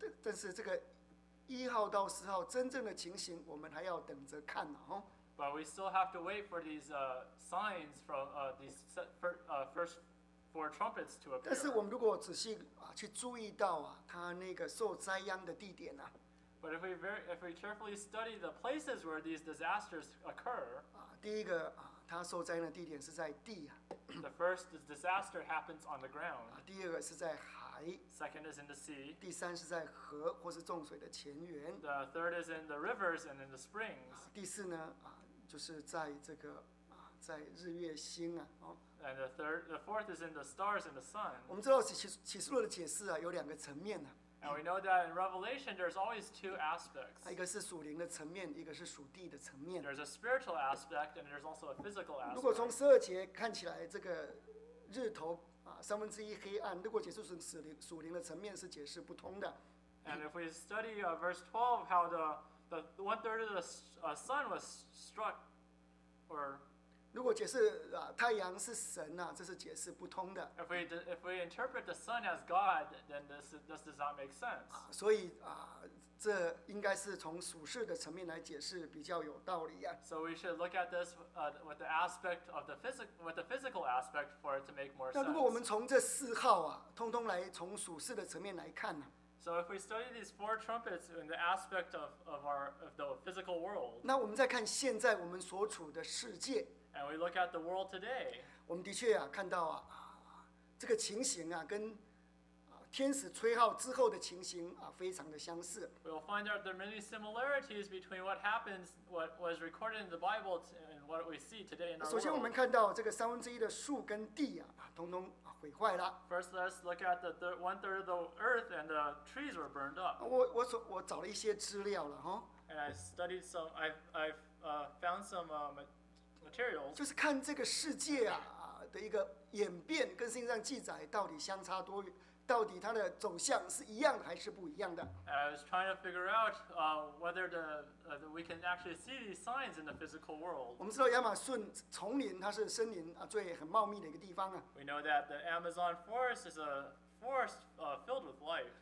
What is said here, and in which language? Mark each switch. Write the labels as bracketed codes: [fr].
[zh] 但是这个一号到十号真正的情形，我们还要等着看呢，哦。 [en] But we still have to wait for these signs from first four trumpets to appear. [zh] 但是我们如果仔细去注意到他那个受灾殃的地点呢。 [en] But if we carefully study the places where these disasters occur. [zh] 第一个他受灾殃的地点是在地啊。 [en] The first disaster happens on the ground. [zh] 第二个是在海。 [en] Second is in the sea. [zh] 第三是在河或是重水的泉源。 [en] The third is in the rivers and in the springs. [zh] 第四呢，就是在这个在日月星啊。 [en] And the fourth is in the stars and the sun. [zh] 我们知道启示录的解释有两个层面呢。 [en] And we know that in Revelation, there's always two aspects. [zh] 一个是属灵的层面，一个是属地的层面。 [en] There's a spiritual aspect, and there's also a physical aspect. [zh] 如果从十二节看起来，这个日头三分之一黑暗，如果解释成属灵的层面是解释不通的。 [en] And if we study verse 12, how the one third of the sun was struck, or [zh] 如果解释太阳是神这是解释不通的。 [en] If we interpret the sun as God, then this does not make sense. [zh] 所以这应该是从属世的层面来解释比较有道理。 [en] So we should look at this with the aspect of the physical aspect for it to make more sense. [zh] 那如果我们从这四号通通来从属世的层面来看。 [en] So if we study these four trumpets in the aspect of the physical world. [zh] 那我们再看现在我们所处的世界。 [en] And we look at the world today. [zh] 我们的确看到这个情形跟天使吹号之后的情形非常的相似。 [en] We'll find out there are many similarities between what happens, what was recorded in the Bible, and what we see today in our world. [zh] 首先，我们看到这个三分之一的树跟地统统毁坏了。 [en] First, let's look at the one third of the earth and the trees were burned up. [zh] 我找了一些资料了。 [en] And I studied some. I found some. Materials. [zh] 就是看这个世界的一个演变跟圣经上记载到底相差多远，到底它的走向是一样的还是不一样的。 [en] I was trying to figure out whether we can actually see these signs in the physical world. [zh] 我们知道亚马逊丛林它是森林最很茂密的一个地方 [en] We know that the Amazon forest is a forest filled with life.